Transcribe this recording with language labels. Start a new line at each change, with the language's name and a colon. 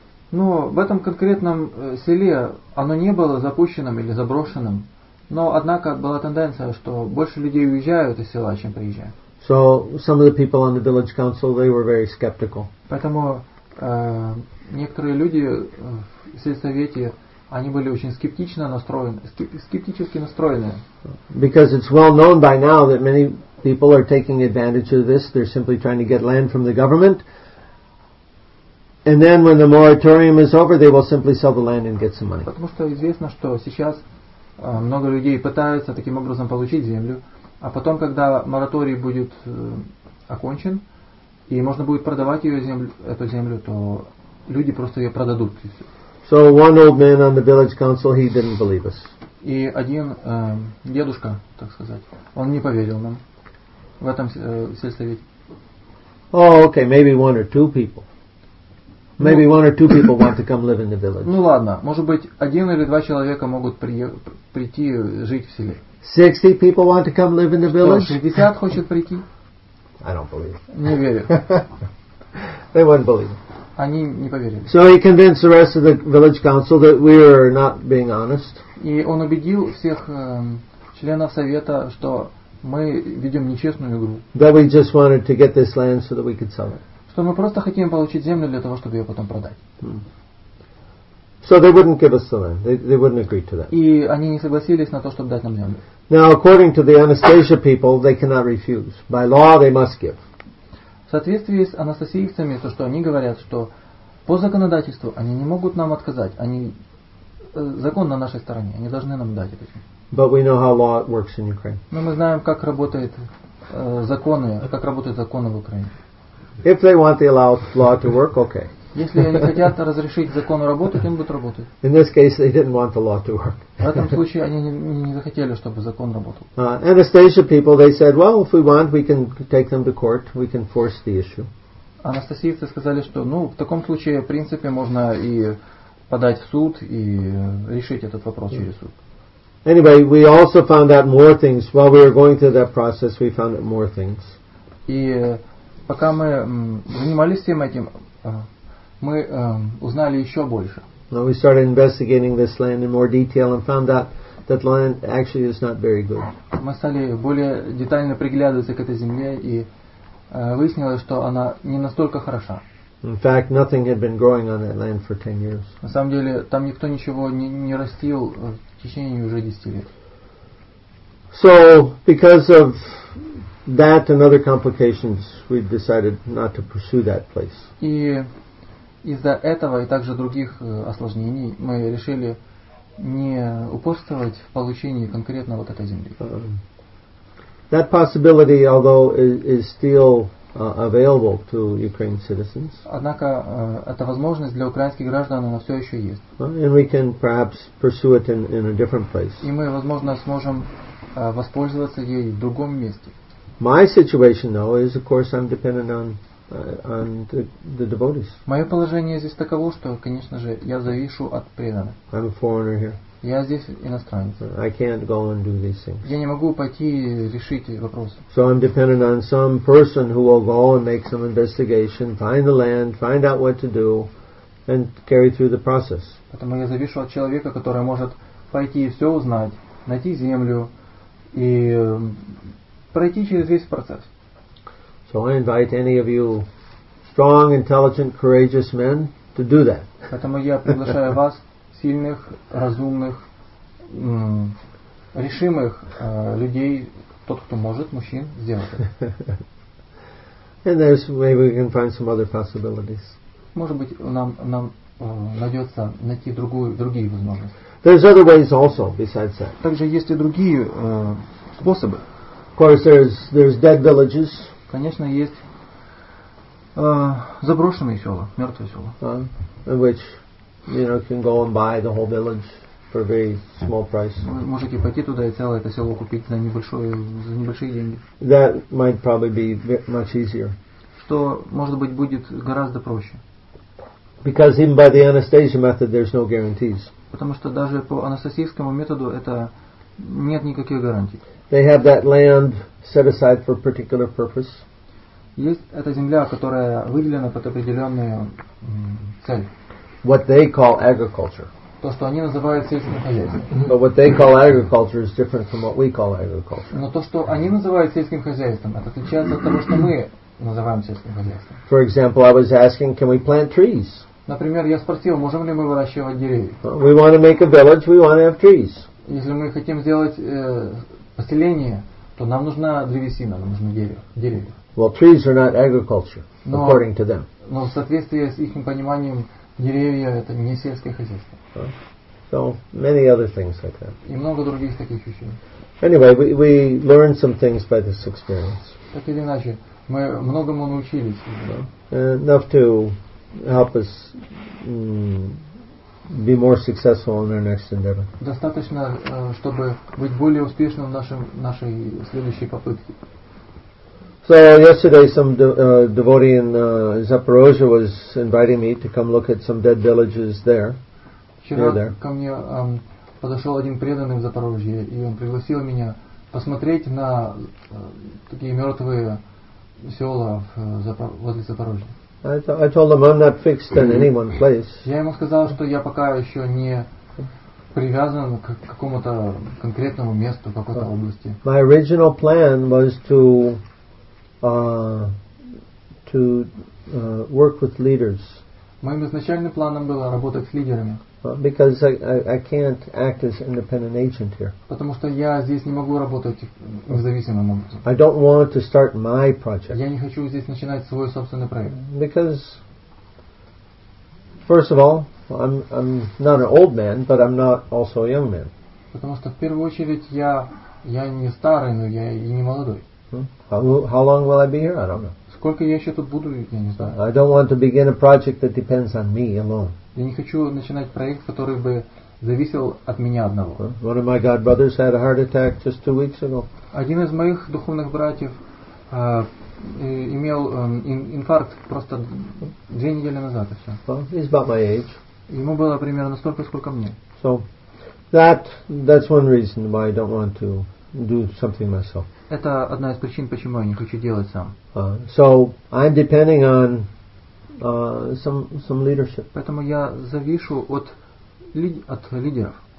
Russian: Но в этом конкретном селе оно не было запущенным или заброшенным, но однако была тенденция, что больше людей уезжают из села, чем приезжают.
English: So some of the people on the village council, they were very skeptical.
Russian: Поэтому некоторые люди в сельсовете, они были очень скептически настроены.
English: Because it's well known by now that many people are taking advantage of this. They're simply trying to get land from the government. And then when the moratorium is over, they will simply sell the land and get some money.
Russian: Потому что известно, что сейчас много людей пытаются таким образом получить землю, а потом, когда мораторий будет окончен, и можно будет продавать эту землю, то люди просто ее продадут.
English: So one old man on the village council, he didn't believe us.
Russian: И один дедушка, так сказать, он не поверил нам в этом сельсовете.
English: Oh, okay, maybe one or two people. Maybe one or two people want to come live in the village.
Russian: Ну ладно, может быть, один или два человека могут прийти жить в селе.
English: 60 people want to come live in the village?
Russian: 60 хочет прийти?
English: I don't believe.
Russian: Не верю.
English: They wouldn't believe.
Russian: Они не поверили.
English: So he convinced the rest of the village council that we were not being honest.
Russian: И он убедил всех членов совета, что мы ведем нечестную игру.
English: That we just wanted to get this land so that we could sell it.
Russian: Что мы просто хотим получить землю для того, чтобы ее потом продать.
English: Hmm. So they wouldn't give us the land. They wouldn't agree to that.
Russian: И они не согласились на то, чтобы дать нам землю.
English: Now, according to the Anastasia people, they cannot refuse. By law, they must give.
Russian: В соответствии с анастасиевцами, то, что они говорят, что по законодательству они не могут нам отказать. Они закон на нашей стороне, они должны нам дать это.
English: But we know how law works in Ukraine.
Russian: Но мы знаем, как работают законы в Украине.
English: If they want the allowed law to work, okay.
Russian: Если они хотят разрешить закону работать, им будут работать.
English: In this case, they didn't want the law to work.
Russian: В этом случае они не захотели, чтобы закон работал.
English: Anastasia people, they said, well, if we want, we can take them to court, we can force the issue.
Russian: Анастасийцы сказали, что, ну, в таком случае, в принципе, можно и подать в суд и решить этот вопрос через суд.
English: Anyway, we also found out more things while we were going through that process. We found out more things.
Russian: И пока мы занимались всем этим, мы узнали еще больше.
English: Now we started investigating this land in more detail and found out that land actually is not very good.
Russian: Мы стали более детально приглядываться к этой земле и выяснилось, что она не настолько хороша.
English: In fact, nothing had been growing on that land for 10 years.
Russian: На самом деле, там никто ничего не растил в течение уже 10 лет.
English: So, because of that and other complications, we decided not to pursue that place.
Russian: И из-за этого и также других осложнений мы решили не упорствовать в получении конкретно вот этой земли.
English: That possibility, although, is still available to Ukraine citizens.
Russian: Однако эта возможность для украинских граждан она все еще есть.
English: And we can perhaps pursue it in a different place.
Russian: И мы, возможно, сможем воспользоваться ей в другом месте.
English: My situation, though, is, of course, I'm dependent on the devotees.
Russian: Мое положение здесь таково, что, конечно же, я завишу от преданных.
English: I'm a foreigner here.
Russian: Я здесь иностранец.
English: I can't go and do these things.
Russian: Я не могу пойти и решить вопрос.
English: So I'm dependent on some person who will go and make some investigation, find the land, find out what to do, and carry through the process.
Russian: Поэтому я завишу от человека, который может пойти и все узнать, найти землю и пройти через весь процесс.
English: So I invite any of you strong, intelligent, courageous men to do that.
Russian: Поэтому я приглашаю вас сильных, разумных, решимых людей, тот, кто может, мужчин, сделать это.
English: And there's, maybe we can find some other possibilities.
Russian: Может быть, нам найдется найти другие возможности.
English: There's other ways also besides that.
Russian: Также есть и другие способы.
English: Of course, there's dead villages.
Russian: Конечно, есть заброшенные села, мертвые села.
English: You know, can go and buy the whole village for a very small price.
Russian: Можете пойти туда и целое это село купить за небольшие деньги.
English: That might probably be much easier.
Russian: Что, может быть, будет гораздо проще.
English: Because even by the Anastasia method, there's no guarantees.
Russian: Потому что даже по анастасийскому методу это нет никаких гарантий.
English: They have that land set aside for a particular purpose.
Russian: Есть эта земля, которая выделена под определенную цель.
English: What they call agriculture.
Russian: То, что они называют сельским хозяйством.
English: But what they call agriculture is different from what we call agriculture.
Russian: Но то, что они называют сельским хозяйством, это отличается от того, что мы называем сельским хозяйством.
English: For example, I was asking, can we plant trees?
Russian: Например, я спросил, можем ли мы выращивать деревья?
English: We want to make a village, we want to have trees.
Russian: Если мы хотим сделать поселение, то нам нужна древесина, нам нужны деревья.
English: Well, trees are not agriculture,
Russian: но,
English: according to them.
Russian: Но в соответствии с их пониманием, деревья – это не сельское хозяйство.
English: So, many other things like that.
Russian: И много других таких вещей.
English: Anyway, we learned some things by this experience.
Russian: Так или иначе, мы многому научились.
English: Enough to help us be more successful in our next endeavor.
Russian: Достаточно, чтобы быть более успешным в нашей следующей попытке.
English: So yesterday some devotee in Zaporozhye was inviting me to come look at some dead villages there.
Russian: Вчера ко мне подошел один преданный в Запорожье, и он пригласил меня посмотреть на такие мертвые села возле Запорожья.
English: I told him I'm not fixed in any one place.
Russian: Я ему сказал, что я пока еще не привязан к какому-то конкретному месту, к какой-то области.
English: My original plan was to work with leaders.
Russian: Моим изначальным планом было работать с лидерами.
English: Because I can't act as independent agent here.
Russian: Потому что я здесь не могу работать независимым образом.
English: I don't want to start my project.
Russian: Я не хочу здесь начинать свой собственный проект.
English: Because, first of all, I'm not an old man, but I'm not also a young man.
Russian: Потому что в первую очередь я не старый, но я и не молодой.
English: How long will I be here? I don't know.
Russian: Сколько я еще тут буду, я не знаю.
English: I don't want to begin a project that depends on me alone.
Russian: Я не хочу начинать проект, который бы зависел от меня одного.
English: One of my God brothers had a heart attack just 2 weeks ago.
Russian: Один из моих духовных братьев имел инфаркт просто 2 недели назад, и все.
English: Well, he's about my age.
Russian: Ему было примерно столько, сколько мне.
English: So, that's one reason why I don't want to do something myself.
Russian: Это одна из причин, почему я не хочу делать сам.
English: So, I'm depending on some leadership.
Russian: Поэтому я завишу от лидеров.